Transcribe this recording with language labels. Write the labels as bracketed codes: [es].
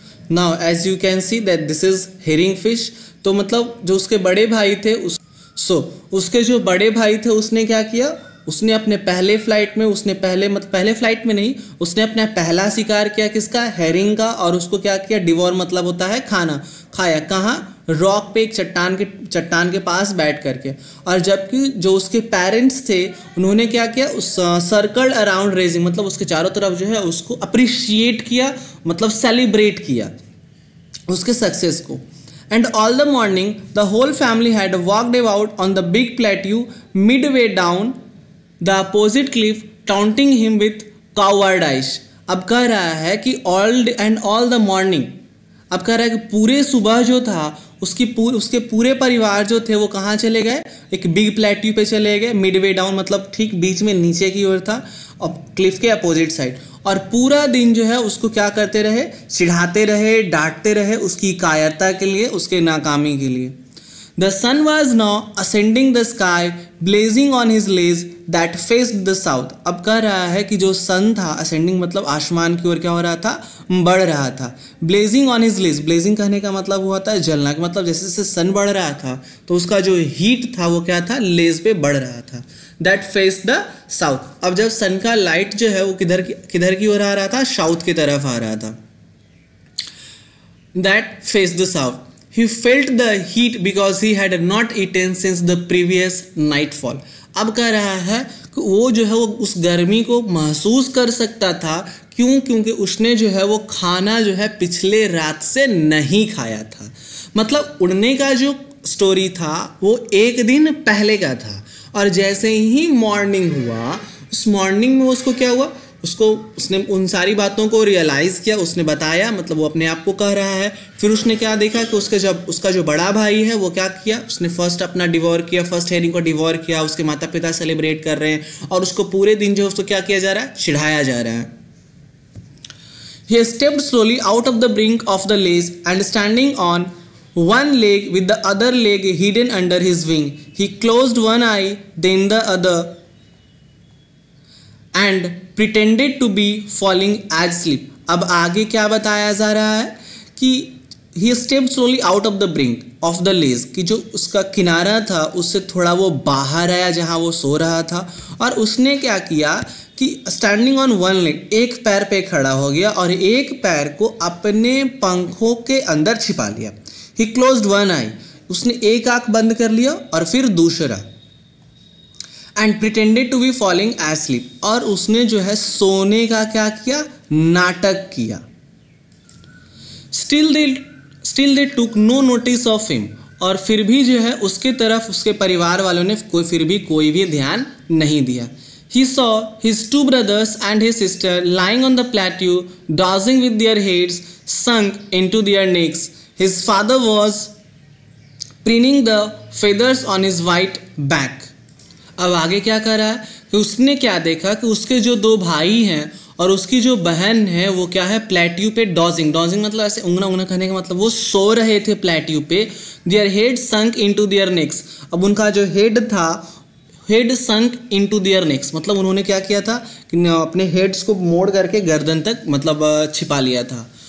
[en] now as you can see that this is herring fish, [hi] तो मतलब जो उसके बड़े भाई थे उसके जो बड़े भाई थे उसने क्या किया, उसने अपने पहले फ्लाइट में, उसने पहले मतलब पहले फ्लाइट में नहीं, उसने अपना पहला शिकार किया किसका, हेरिंग का, और उसको क्या किया, डिवोर मतलब होता है खाना, खाया कहाँ, रॉक पे, एक चट्टान के पास बैठ करके। और जबकि जो उसके पेरेंट्स थे उन्होंने क्या किया, [en] उस circle around raising [hi] मतलब उसके चारों तरफ जो है उसको अप्रिशिएट किया मतलब सेलिब्रेट किया उसके सक्सेस को। [en] And all the morning, the whole family had walked about on the big plateau midway down the opposite cliff, taunting him with coward eyes. [hi] अब कह रहा है कि [en] all the morning, [hi] अब कह रहा है कि पूरे सुबह जो था उसके पूरे परिवार जो थे वो कहाँ चले गए, एक big plateau पे चले गए, midway down मतलब ठीक बीच में नीचे की ओर था और cliff के opposite side, और पूरा दिन जो है उसको क्या करते रहे, चिढ़ाते रहे, डांटते रहे उसकी कायरता के लिए, उसके नाकामी के लिए। [en] The sun was now ascending the sky blazing on his ledge that faced the south. [hi] अब कह रहा है कि जो सन था असेंडिंग मतलब आसमान की ओर क्या हो रहा था, बढ़ रहा था। [en] blazing on his ledge, [hi] blazing कहने का मतलब हुआ था जलना, मतलब जैसे जैसे सन बढ़ रहा था तो उसका जो हीट था वो क्या था, लेज पे बढ़ रहा था। [en] That faced the south. [hi] अब जब सन का लाइट जो है वो किधर की ओर आ रहा था, साउथ की तरफ आ रहा था। That faced the south. [en] He felt the heat because he had not eaten since the previous nightfall. [hi] अब कह रहा है कि वो जो है वो उस गर्मी को महसूस कर सकता था क्यों? क्योंकि उसने जो है वो खाना जो है पिछले रात से नहीं खाया था। मतलब उड़ने का जो स्टोरी था वो एक दिन पहले का था, और जैसे ही मॉर्निंग हुआ, उस मॉर्निंग में उसको क्या हुआ, उसको उसने उन सारी बातों को रियलाइज़ किया, उसने बताया, मतलब वो अपने आप को कह रहा है। फिर उसने क्या देखा कि उसके जब उसका जो बड़ा भाई है वो क्या किया, उसने फर्स्ट अपना डिवोर किया, फर्स्ट हेरिंग को डिवोर किया, उसके माता पिता सेलिब्रेट कर रहे हैं, और उसको पूरे दिन जो उसको क्या किया जा रहा है, चिढ़ाया जा रहा है। [en] He stepped slowly out of the brink of the lake and standing on one leg with the other leg hidden under his wing, he closed one eye then the other and pretended to be falling asleep. [hi] अब आगे क्या बताया जा रहा है कि [en] he stepped slowly out of the brink of the lake, [hi] कि जो उसका किनारा था उससे थोड़ा वो बाहर आया जहाँ वो सो रहा था, और उसने क्या किया कि [en] standing on one leg, [hi] एक पैर पे खड़ा हो गया और एक पैर को अपने पंखों के अंदर छिपा लिया। [en] he closed one eye, [hi] उसने एक आंख बंद कर लिया और फिर दूसरा, [en] and pretended to be falling asleep, [hi] और उसने जो है सोने का क्या किया, नाटक किया। [en] still they took no notice of him, [hi] और फिर भी जो है उसके तरफ उसके परिवार वालों ने कोई फिर भी कोई भी ध्यान नहीं दिया। [en] He saw his two brothers and his sister lying on the plateau, dozing with their heads sunk into their necks. His father was preening the feathers on his white back. [hi] अब आगे क्या कर रहा है कि उसने क्या देखा कि उसके जो दो भाई हैं और उसकी जो बहन है वो क्या है, प्लेट्यू पे डॉजिंग, डॉजिंग मतलब ऐसे उंगना उंगना करने का मतलब, वो सो रहे थे प्लेट्यू पे। [en] their head sunk into their necks, [hi] अब उनका जो हेड था, head sunk in to their next, मतलब उन्होंने क्या किया था कि अपने हेड्स को मोड़ करके गर्दन तक मतलब छिपा लिया था।